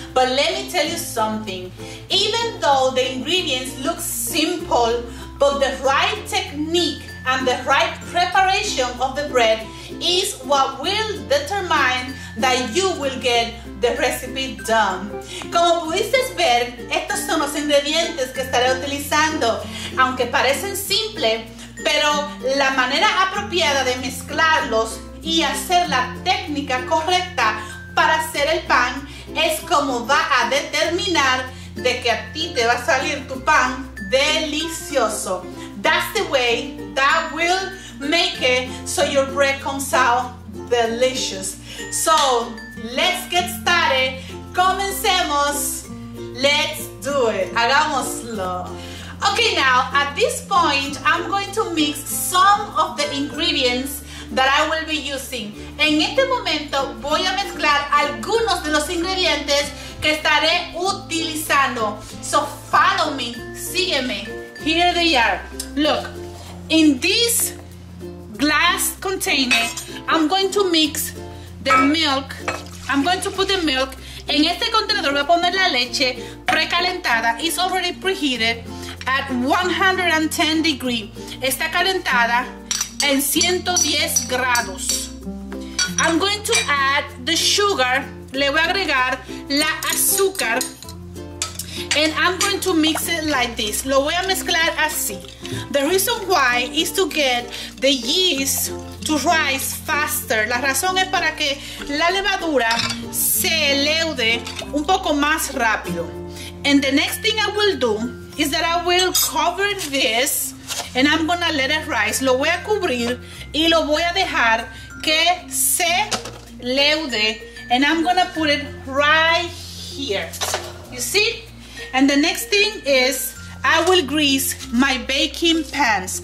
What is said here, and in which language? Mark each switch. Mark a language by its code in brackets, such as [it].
[en] But let me tell you something. Even though the ingredients look simple, but the right technique and the right preparation of the bread is what will determine that you will get the recipe done. [es] Como pudiste ver, estos son los ingredientes que estaré utilizando. Aunque parecen simple, pero la manera apropiada de mezclarlos y hacer la técnica correcta para hacer el pan es como va a determinar de que a ti te va a salir tu pan delicioso. [en] That's the way that will make it so your bread comes out delicious. So let's get started. [es] Comencemos. [en] Let's do it. [es] Hagámoslo. [en] Okay, now at this point, I'm going to mix some of the ingredients that I will be using. [es] En este momento voy a mezclar algunos de los ingredientes que estaré utilizando. [en] So follow me, [es] sígueme. [en] Here they are. Look, in this glass container, I'm going to mix the milk. I'm going to put the milk. [es] En este contenedor voy a poner la leche precalentada. [en] It's already preheated at 110 degrees. [es] Está calentada en 110 grados. [en] I'm going to add the sugar. [es] Le voy a agregar la azúcar. [en] And I'm going to mix it like this. [es] Lo voy a mezclar así. [en] The reason why is to get the yeast to rise faster. [es] La razón es para que la levadura se leude un poco más rápido. [en] And the next thing I will do is that I will cover this and I'm gonna let it rise. [es] Lo voy a cubrir y lo voy a dejar que se leude. [en] And I'm gonna put it right here. You see? And the next thing is I will grease my baking pans.